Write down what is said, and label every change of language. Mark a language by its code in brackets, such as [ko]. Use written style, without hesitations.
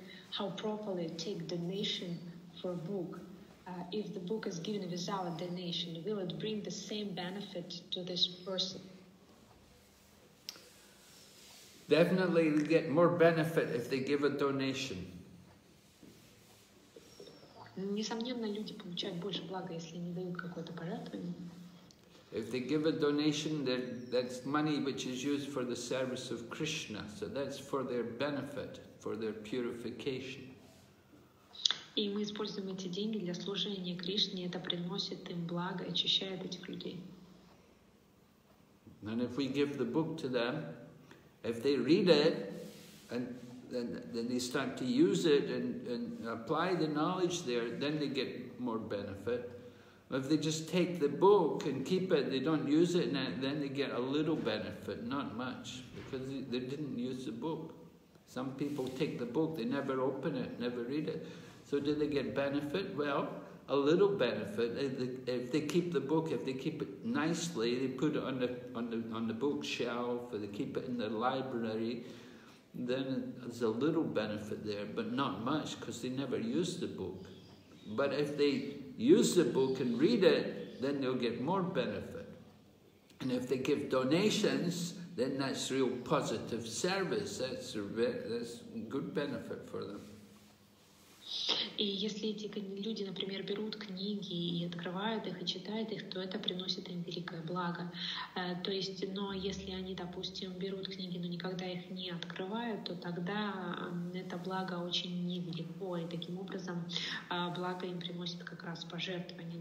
[en] How properly take donation for a book? If the book is given without donation, will it bring the same benefit to this person? Definitely get more benefit if they give a donation. [ru] Несомненно, люди получают больше блага, если они дают какое-то пожертвование. [en] If they give a donation, that's money which is used for the service of Krishna. So that's for their benefit, for their purification. [ru] И мы используем эти деньги для служения Кришне, это приносит им благо, очищает этих людей. [en] And if we give the book to them, if they read it, and then they start to use it and apply the knowledge there, then they get more benefit. But if they just take the book and keep it, they don't use it, and then they get a little benefit, not much, because they didn't use the book. Some people take the book, they never open it, never read it. So do they get benefit? Well, a little benefit. If they keep the book, if they keep it nicely, they put it on the bookshelf, or they keep it in the library, then there's a little benefit there, but not much, because they never used the book. But if they use the book and read it, then they'll get more benefit. And if they give donations, then that's real positive service. That's good benefit for them. [ru] И если эти люди, например, берут книги и открывают их, и читают их, то это приносит им великое благо. То есть, но если они, допустим, берут книги, но никогда их не открывают, то тогда это благо очень невелико, и таким образом благо им приносит как раз пожертвование.